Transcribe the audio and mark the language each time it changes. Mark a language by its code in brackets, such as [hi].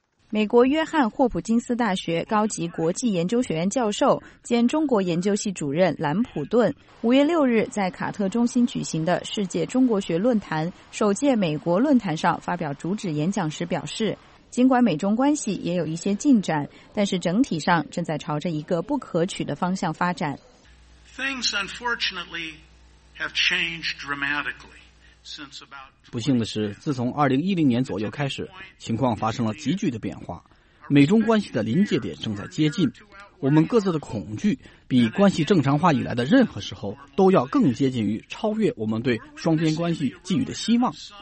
[zh] 美国约翰霍普金斯大学高级国际研究学院教授兼中国研究系主任兰普顿5月6日在卡特中心举行的世界中国学论坛首届美国论坛上发表主旨演讲时表示，尽管美中关系也有一些进展，但是整体上正在朝着一个不可取的方向发展。 [en] Things unfortunately have changed dramatically. [zh] 不幸的是，自从2010年左右开始，情况发生了急剧的变化，美中关系的临界点正在接近，我们各自的恐惧比关系正常化以来的任何时候都要更接近于超越我们对双边关系寄予的希望。